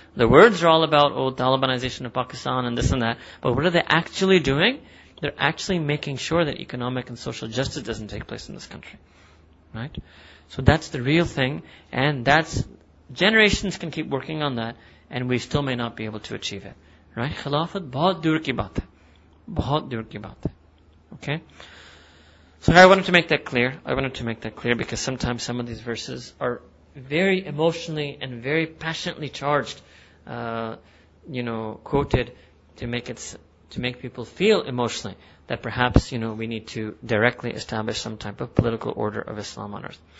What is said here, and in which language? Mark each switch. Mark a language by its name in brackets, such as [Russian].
[English] The words are all about, oh, Talibanization of Pakistan and this and that, but what are they actually doing? They're actually making sure that economic and social justice doesn't take place in this country. Right? So that's the real thing, and that's, generations can keep working on that, and we still may not be able to achieve it. Right? [Urdu] خلافت، بہت دور کی بات ہے۔ بہت دور کی بات ہے۔ [English] Okay? So I wanted to make that clear. I wanted to make that clear because sometimes some of these verses are very emotionally and very passionately charged, quoted to make people feel emotionally that perhaps, you know, we need to directly establish some type of political order of Islam on earth.